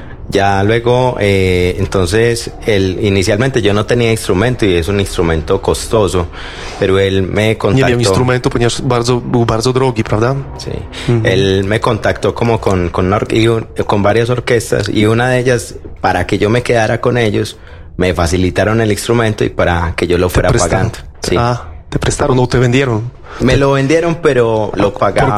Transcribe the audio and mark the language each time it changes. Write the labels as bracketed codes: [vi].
[es] Ya luego, entonces, inicialmente yo no tenía instrumento y es un instrumento costoso, pero él me contactó. [pl] Nie miał instrumentu, ponieważ bardzo, był bardzo drogi, prawda? [es] Sí. Mm-hmm. Él me contactó como con varias orquestas y una de ellas, para que yo me quedara con ellos, me facilitaron el instrumento y para que yo lo fuera pagando. Sí. Ah, ¿te prestaron o te vendieron? Me lo vendieron, pero lo pagaba